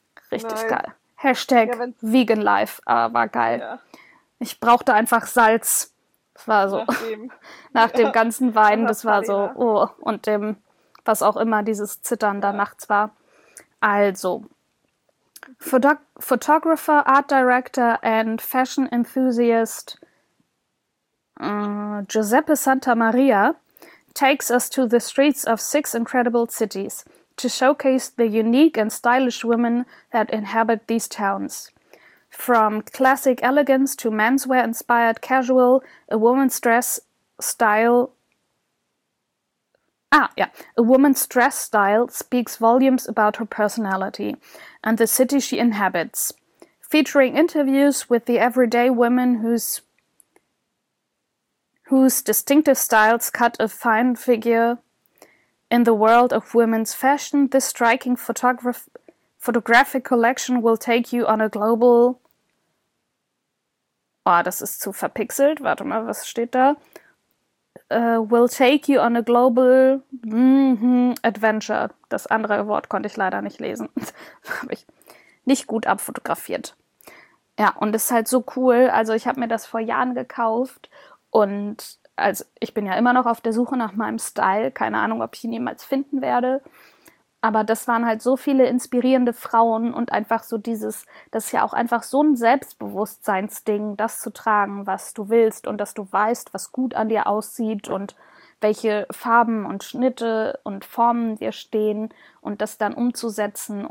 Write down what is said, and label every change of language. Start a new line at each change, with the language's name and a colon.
German: Richtig geil. Hashtag Vegan Life war geil. Ja. Ich brauchte einfach Salz. Das war so. Nach dem ganzen Wein, das war so. Oh, und dem, was auch immer, dieses Zittern da nachts war. Also.
English: Photographer, Art Director and Fashion Enthusiast Giuseppe Santa Maria takes us to the streets of 6 incredible cities to showcase the unique and stylish women that inhabit these towns. From classic elegance to menswear-inspired casual, a woman's dress style... A woman's dress style speaks volumes about her personality and the city she inhabits. Featuring interviews with the everyday women whose distinctive styles cut a fine figure In the world of women's fashion, this striking photographic collection will take you on a global...
German: Oh, das ist zu verpixelt. Warte mal, was steht da?
English: Will take you on a global adventure.
German: Das andere Wort konnte ich leider nicht lesen. Habe ich nicht gut abfotografiert. Ja, und es ist halt so cool. Also ich habe mir das vor Jahren gekauft und also ich bin ja immer noch auf der Suche nach meinem Style. Keine Ahnung, ob ich ihn jemals finden werde. Aber das waren halt so viele inspirierende Frauen und einfach so dieses, das ist ja auch einfach so ein Selbstbewusstseinsding, das zu tragen, was du willst und dass du weißt, was gut an dir aussieht und welche Farben und Schnitte und Formen dir stehen und das dann umzusetzen.